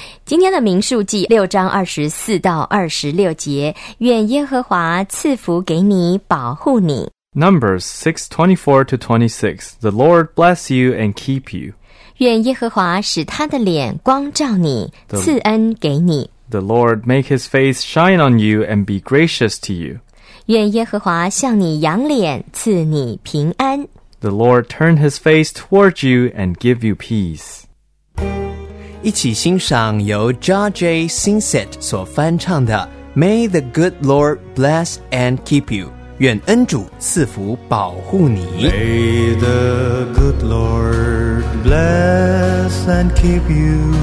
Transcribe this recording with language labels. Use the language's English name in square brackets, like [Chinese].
[Chinese] 今天的民数记6:24-26，愿耶和华赐福给你，保护你。 [English] Numbers 6:24-26. The Lord bless you and keep you. [Chinese] 愿耶和华使他的脸光照你，赐恩给你。 [English] The Lord make his face shine on you and be gracious to you. [Chinese] 愿耶和华向你扬脸，赐你平安。 [English] The Lord turn his face towards you and give you peace. [Chinese] 一起欣赏由 George Sinset 所翻唱的 May the good Lord bless and keep you. 愿恩主赐福保护你。 [English] May the good Lord bless and keep you.